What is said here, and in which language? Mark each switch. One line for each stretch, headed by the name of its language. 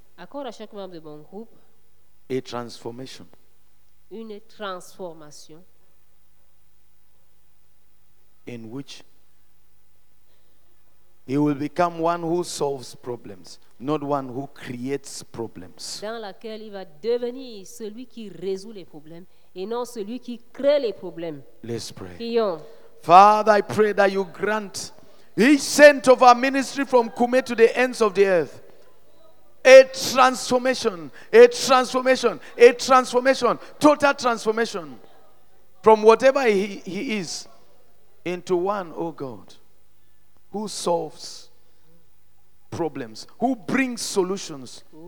French: accorde à chaque membre de mon groupe,
English: a transformation.
French: Une transformation.
English: In which he will become one who solves problems, not one who creates problems.
French: Dans laquelle il va devenir celui qui résout les problèmes et non celui qui crée les problèmes.
English: Let's pray.
French: Prions.
English: Father, I pray that you grant each saint of our ministry from Kume to the ends of the earth a transformation, a transformation, a transformation, total transformation from whatever he is, into one, oh God, who solves problems, who brings solutions